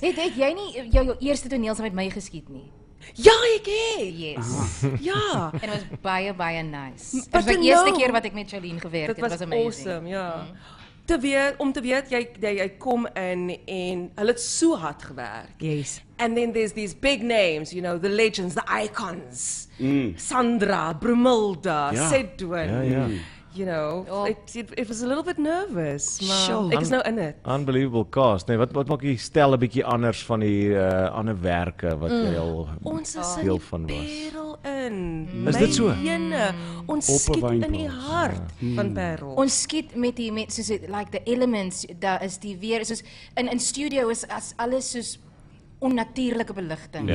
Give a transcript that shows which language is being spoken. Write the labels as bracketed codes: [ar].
[af] Het jy nie jou eerste toneels met my geskiet nie? Ja, ek het. [en] Yes. [af] Ja. En dit was baie baie nice. Dit was die eerste keer wat ek met Jolene gewerk het. Dit was amazing. Awesome, ja. Om te weet jy kom in en hulle het so hard gewerk. [en] Yes. And then there's these big names, you know, the legends, the icons. Sandra, Brumilda, Sedwin. [af] Ja, ja. [en] You know, it was a little bit nervous, [af] maar sure. Ek is nou in it. [en] Unbelievable cast. [af] Nee, wat maak jy stel 'n bietjie anders van die ander werke wat jy al deel van was? Ons is in Perel in. Is dit so? Ons skiet in die hart van Perel. Ons skiet met die met soos [en] like the elements, [af] daar is die weer soos in studio is as alles soos onnatuurlike beligting.